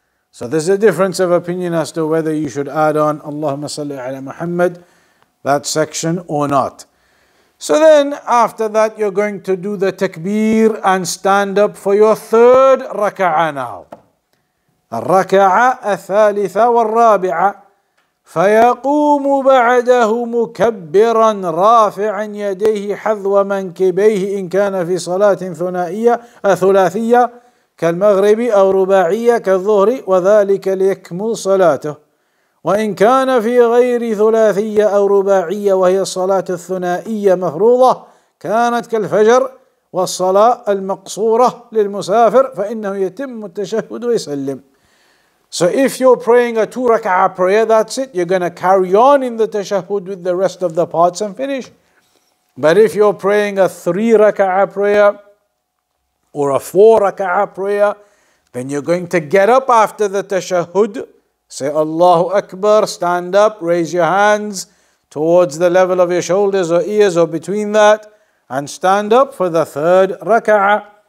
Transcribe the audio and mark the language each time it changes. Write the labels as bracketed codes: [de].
[en] So there's a difference of opinion as to whether you should add on Allahumma salli ala Muhammad, that section, or not. So then after that, you're going to do the takbir and stand up for your third raka'ah now. [ar] Raka'ah al-thalitha wal-rabi'ah. فيقوم بعده مكبرا رافعا يديه حذو منكبيه إن كان في صلاة ثنائية ثلاثية كالمغرب أو رباعية كالظهر وذلك ليكمل صلاته وإن كان في غير ثلاثية أو رباعية وهي الصلاة الثنائية مفروضة كانت كالفجر والصلاة المقصورة للمسافر فإنه يتم التشهد ويسلم. [en] So if you're praying a two rak'ah prayer, that's it. You're going to carry on in the tashahud with the rest of the parts and finish. But if you're praying a three rak'ah prayer or a four rak'ah prayer, then you're going to get up after the tashahud, say Allahu Akbar, stand up, raise your hands towards the level of your shoulders or ears or between that, and stand up for the third rak'ah.